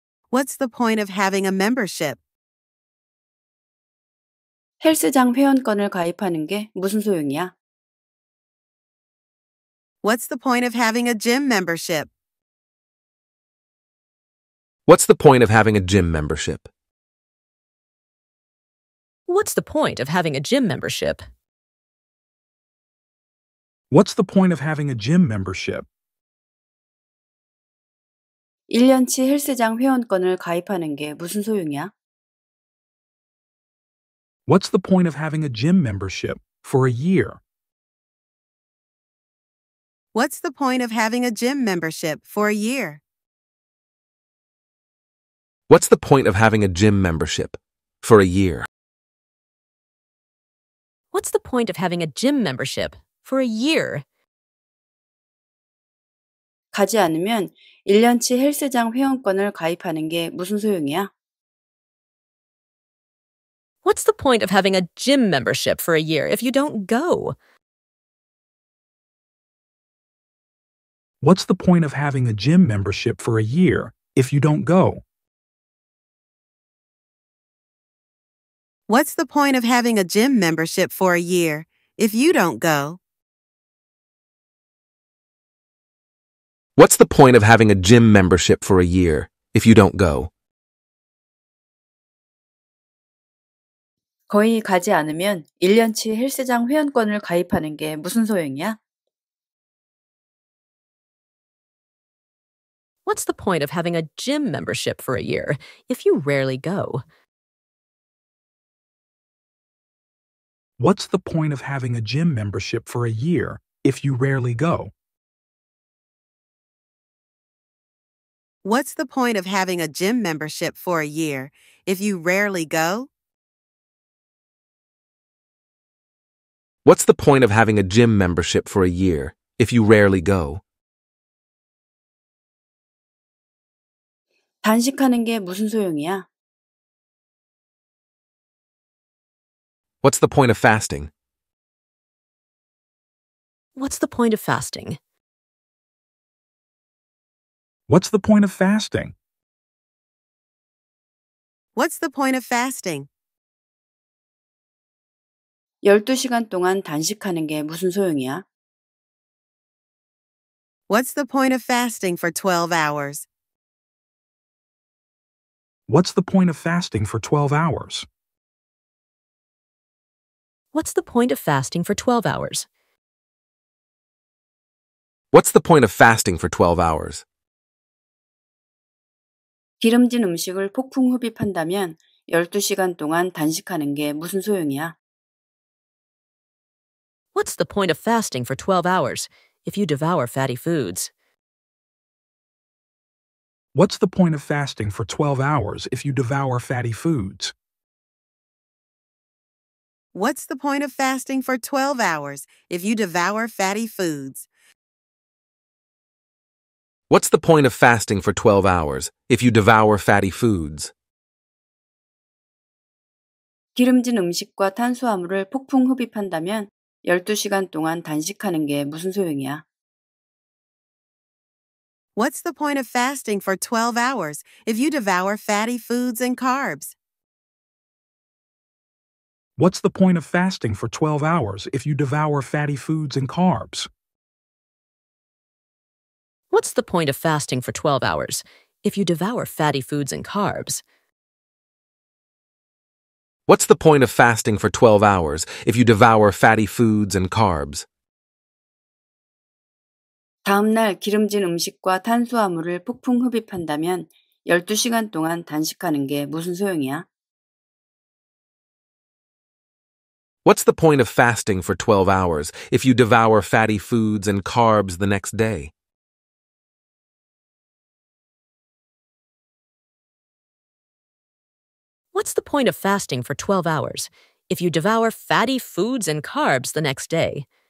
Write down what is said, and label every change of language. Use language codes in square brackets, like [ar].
[en] What's the point of having a membership? [ko] 헬스장 회원권을 가입하는 게 무슨 소용이야? [en] What's the point of having a gym membership? What's the point of having a gym membership? What's the point of having a gym membership? What's the point of having a gym membership? [ko] 1년치 헬스장 회원권을 가입하는 게 무슨 소용이야? [en] What's the point of having a gym membership for a year? What's the point of having a gym membership for a year? What's the point of having a gym membership for a year? What's the point of having a gym membership for a year? [ko] 가지 않으면 1년치 헬스장 회원권을 가입하는 게 무슨 소용이야? [en] What's the point of having a gym membership for a year if you don't go? What's the point of having a gym membership for a year if you don't go? What's the point of having a gym membership for a year if you don't go? What's the point of having a gym membership for a year if you don't go? [ko] 거의 가지 않으면 1년치 헬스장 회원권을 가입하는 게 무슨 소용이야? [en] What's the point of having a gym membership for a year if you rarely go? What's the point of having a gym membership for a year if you rarely go? What's the point of having a gym membership for a year if you rarely go? What's the point of having a gym membership for a year if you rarely go? [ko] 단식하는 게 무슨 소용이야? [en] What's the point of fasting? What's the point of fasting? What's the point of fasting? What's the point of fasting? [ko] 12시간 동안 단식하는 게 무슨 소용이야? [en] What's the point of fasting for 12 hours? What's the point of fasting for 12 hours? What's the point of fasting for 12 hours? What's the point of fasting for 12 hours? [ko] 기름진 음식을 폭풍 흡입한다면 12시간 동안 단식하는 게 무슨 소용이야? [en] What's the point of fasting for 12 hours if you devour fatty foods? What's the point of fasting for 12 hours if you devour fatty foods? What's the point of fasting for 12 hours if you devour fatty foods? What's the point of fasting for 12 hours if you devour fatty foods? [ko] 기름진 음식과 탄수화물을 폭풍 흡입한다면 12시간 동안 단식하는 게 무슨 소용이야? [en] What's the point of fasting for 12 hours if you devour fatty foods and carbs? What's the point of fasting for 12 hours if you devour fatty foods and carbs? What's the point of fasting for 12 hours if you devour fatty foods and carbs? What's the point of fasting for 12 hours if you devour fatty foods and carbs? [ko] 다음 날 기름진 음식과 탄수화물을 폭풍 흡입한다면 12시간 동안 단식하는 게 무슨 소용이야? [en] What's the point of fasting for 12 hours if you devour fatty foods and carbs the next day? What's the point of fasting for 12 hours if you devour fatty foods and carbs the next day?